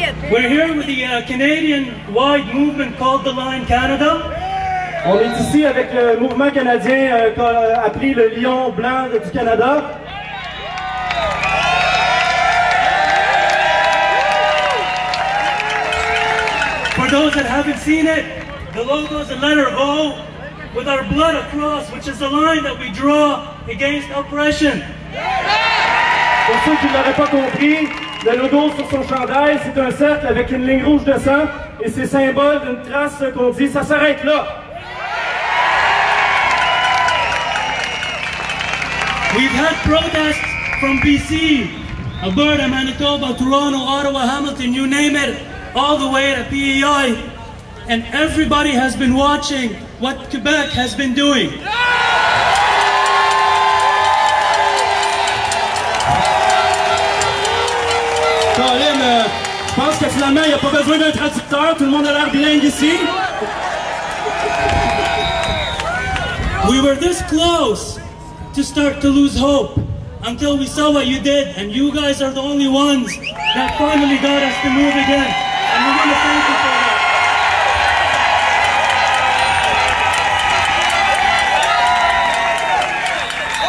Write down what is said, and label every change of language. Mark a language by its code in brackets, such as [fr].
[en] We're here with the Canadian-wide movement called the Line Canada. [fr] On est ici avec le mouvement canadien appelé le Lion Blanc du Canada. [en] For those that haven't seen it, the logo is a letter O with our blood across, which is the line that we draw against oppression. [fr] Pour ceux qui ne l'auraient pas compris, le logo sur son chandail, c'est un cercle avec une ligne rouge de sang et c'est symbole d'une trace qu'on dit, ça s'arrête là. [en] We've had protests from BC, Alberta, Manitoba, Toronto, Ottawa, Hamilton, you name it. All the way to PEI, and everybody has been watching what Quebec has been doing. [fr] Colin, je pense que finalement, il n'y a pas besoin d'un traducteur, tout le monde a l'air bilingue ici. [en] We were this close to start to lose hope until we saw what you did, and you guys are the only ones that finally got us to move again. And we're going to thank you for that.